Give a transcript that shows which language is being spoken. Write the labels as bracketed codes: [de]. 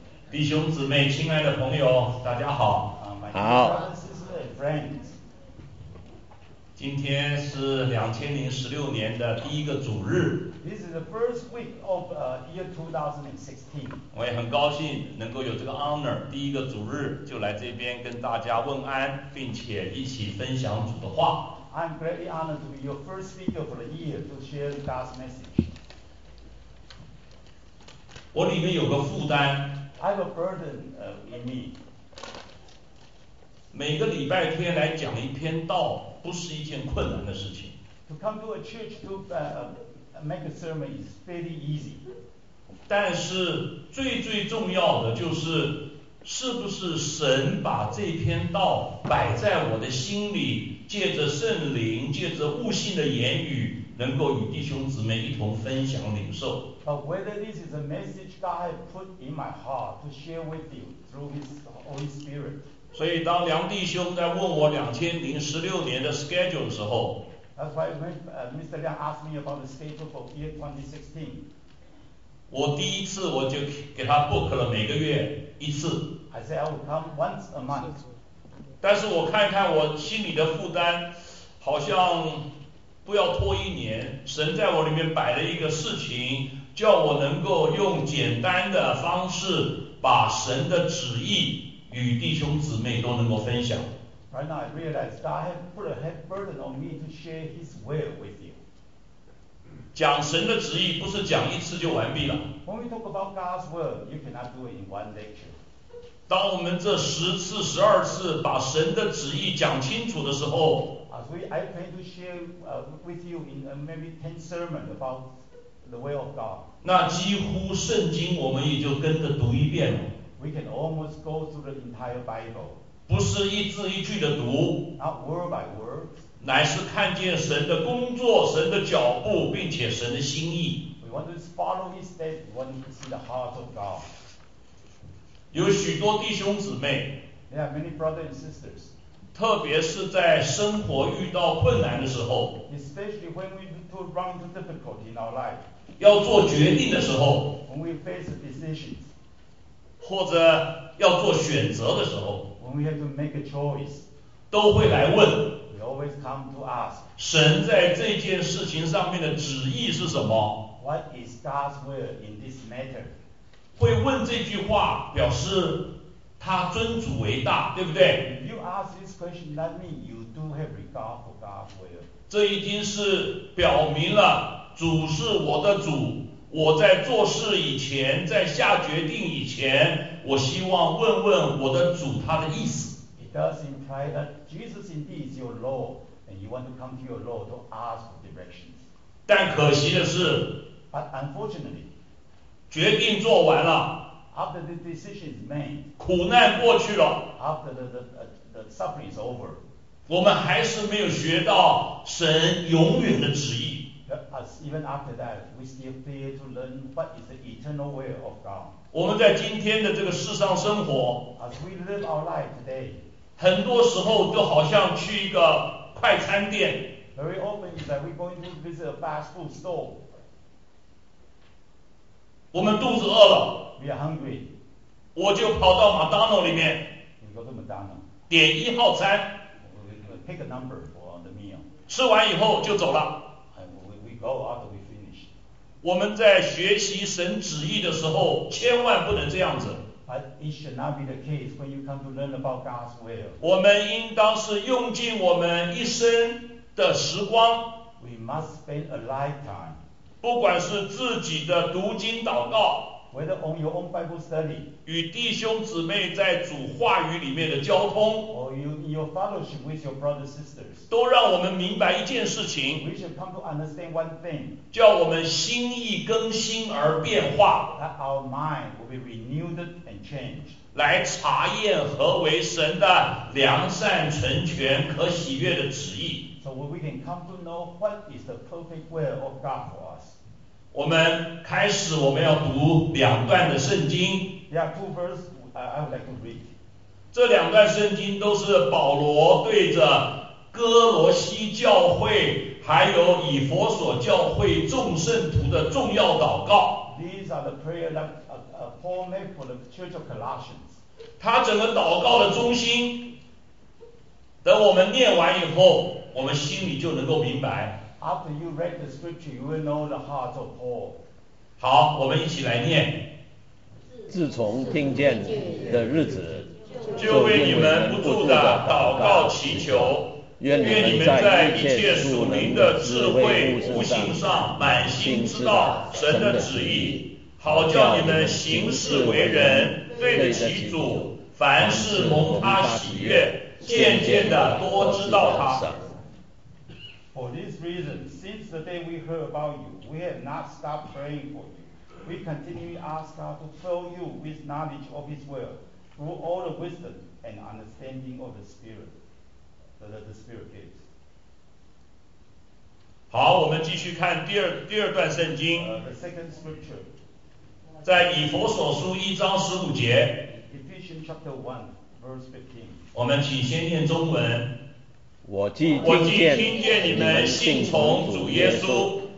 [zh] 弟兄姊妹，亲爱的朋友，大家好。好。今天是2016年的第一个主日。 [en] This is the first week of year 2016. [zh] 我也很高兴能够有这个 [en] honor， [zh] 第一个主日就来这边跟大家问安，并且一起分享主的话。 [en] I'm greatly honored to be your first speaker for the year to share God's message. [zh] 我里面有个负担。 [en] I have a burden in me. [zh] 每个礼拜天来讲一篇道不是一件困难的事情。 [en] To come to a church to make a sermon is fairly easy. [zh] 但是最最重要的就是是不是神把这篇道摆在我的心里，借着圣灵，借着悟性的言语，能够与弟兄姊妹一同分享领受。 [en] But whether this is a message God has put in my heart to share with you through His Holy Spirit. [zh] 所以当梁弟兄在问我2016年的 [en] schedule [zh] 的时候， [en] That's why Mr. Liang asked me about the schedule for year 2016. [zh] 我第一次我就给他 [en] book [zh] 了每个月一次。 [en] I said I will come once a month. [zh] 但是我看看我心里的负担，好像不要拖一年，神在我里面摆了一个事情，叫我能够用简单的方式把神的旨意与弟兄姊妹都能够分享。 [en] Right now I realize God has put a heavy burden on me to share His will with you. [zh] 讲神的旨意不是讲一次就完毕了。 [en] When we talk about God's will, you cannot do it in one lecture. [zh] 当我们这十次、十二次把神的旨意讲清楚的时候， [en] So I plan to share with you in maybe 10 sermons about the will of God. [zh] 那几乎圣经我们也就跟着读一遍了。 [en] We can almost go through the entire Bible. [zh] 不是一字一句的读。 [en] Not word by word. [zh] 乃是看见神的工作、神的脚步，并且神的心意。 [en] We want to follow His steps. We want to see the heart of God. [zh] 有许多弟兄姊妹。 [en] There are many brothers and sisters. [zh] 特别是在生活遇到困难的时候， [en] Especially when we run into difficulty in our life, [zh] 要做决定的时候， [en] when we face decisions, [zh] 或者要做选择的时候， [en] when we have to make a choice, [zh] 都会来问， [en] we always come to ask, [zh] 神在这件事情上面的旨意是什么？ [en] What is God's will in this matter? [zh] 会问这句话表示他尊主为大，对不对？ [en] You ask this question, that means you do have regard for God's will. [zh] 这已经是表明了主是我的主，我在做事以前，在下决定以前，我希望问问我的主他的意思。 [en] It does imply that Jesus indeed is your Lord, and you want to come to your Lord to ask for directions. [zh] 但可惜的是， [en] But unfortunately, [zh] 决定做完了， [en] After the decision is made, [zh] 苦难过去了， [en] After the suffering is over, [zh] 我们还是没有学到神永远的旨意。 [en] Even after that, we still fail to learn what is the eternal will of God. [zh] 我们在今天的这个世上生活， [en] As we live our life today, [zh] 很多时候就好像去一个快餐店， [en] Very often is that we're going to visit a fast food store. [zh] 我们肚子饿了， [en] We are hungry. [zh] 我就跑到麦当劳里面， [en] you go to McDonald's. [zh] 点一号餐， [en] pick a number for the meal. [zh] 吃完以后就走了。 [en] We go after we finish. [zh] 我们在学习神旨意的时候千万不能这样子。 [en] But it should not be the case when you come to learn about God's will. [zh] 我们应当是用尽我们一生的时光， [en] We must spend a lifetime. [zh] 不管是自己的读经祷告， [en] Whether on your own Bible study, [zh] 与弟兄姊妹在主话语里面的交通， [en] or your fellowship with your brothers and sisters, [zh] 都让我们明白一件事情， [en] we should come to understand one thing, [zh] 叫我们心意更新而变化， [en] that our mind will be renewed and changed, [zh] 来查验何为神的良善成全可喜悦的旨意。 [en] So we can come to know what is the perfect will of God for us. [zh] 我们开始，我们要读两段的圣经。 [en] Yeah, two verses. I would like to read. [zh] 这两段圣经都是保罗对着哥罗西教会还有以弗所教会众圣徒的重要祷告。 [en] These are the prayers that Paul made for the Church of Colossians. [zh] 他整个祷告的中心，等我们念完以后，我们心里就能够明白。 [en] After you read the scripture, you will know the heart of Paul. [zh] 好，我们一起来念。自从听见的日子，就为你们不住的祷告祈求，愿你们在一切属灵的智慧悟性上满心知道神的旨意，好叫你们行事为人对得起主，凡事蒙他喜悦，渐渐的多知道他。 [en] For this reason, since the day we heard about you, we have not stopped praying for you. We continually ask God to fill you with knowledge of His will through all the wisdom and understanding of the Spirit that the Spirit gives. [zh] 好，我们继续看第二段圣经。 [en] The second scripture, [zh] 在以弗所书一章十五节。 [en] Ephesians chapter 1, verse 15. [zh] 我们请先念中文。我既听见你们信从主耶稣，